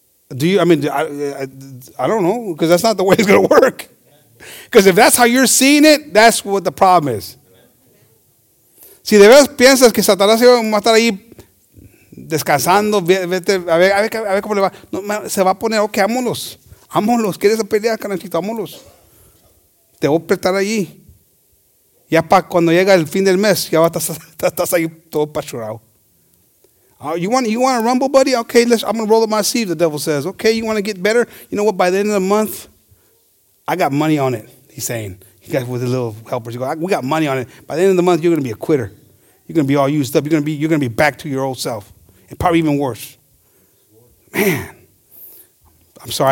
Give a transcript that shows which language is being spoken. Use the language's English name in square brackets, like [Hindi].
[English] I don't know, because that's not the way it's gonna work. Because if that's how you're seeing it, that's what the problem is. [Spanish] Si de verdad piensas que Satanás se va a estar ahí descansando, vete, a ver cómo le va. No, se va a poner, ok, ámonos. ¿Quieres pelear, canachito? Ámonos. Te voy a apretar allí. Ya para cuando llega el fin del mes, ya estás ahí todo pachurado. [English] You want to rumble, buddy? Okay, I'm going to roll up my sleeve, the devil says. Okay, you want to get better? You know what, by the end of the month, I got money on it, he's saying. He got with his little helpers. He goes, we got money on it. By the end of the month, you're going to be a quitter. You're going to be all used up. You're going to be back to your old self. And probably even worse. Man. I'm sorry.